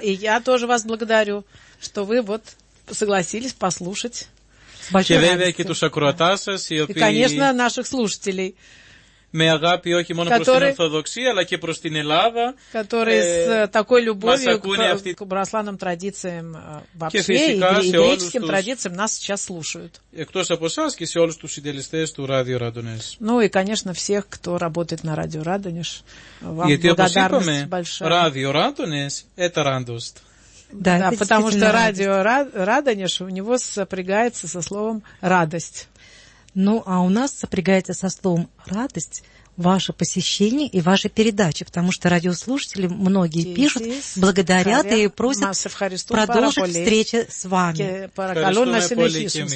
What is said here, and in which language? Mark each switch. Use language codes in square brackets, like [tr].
[ru] И я тоже вас благодарю, что вы вот согласились послушать. [el] Και βέβαια και τους ακροατάς σας, οι οποίοι... [ru] И, конечно, наших слушателей. [el] Με αγάπη όχι μόνο προς την Ορθοδοξία, αλλά και προς την Ελλάδα. [ru] Которые с такой любовью к православным традициям вообще и греческим традициям нас сейчас слушают. [el] Εκτός από εσάς και σε όλους τους συντελεστές του Radio Radonezh. [ru] Ну и, конечно, всех, кто работает на Radio Radonezh. Вам благодарность большая. [el] Γιατί, όπως είπαμε, Radio Radonezh – [ru] это радость. Да, да, потому что радио Радонеж у него сопрягается со словом «радость». Ну, а у нас сопрягается со словом «радость» ваше посещение и ваша передача, потому что радиослушатели многие и пишут, здесь, благодарят и просят продолжить встречу с вами.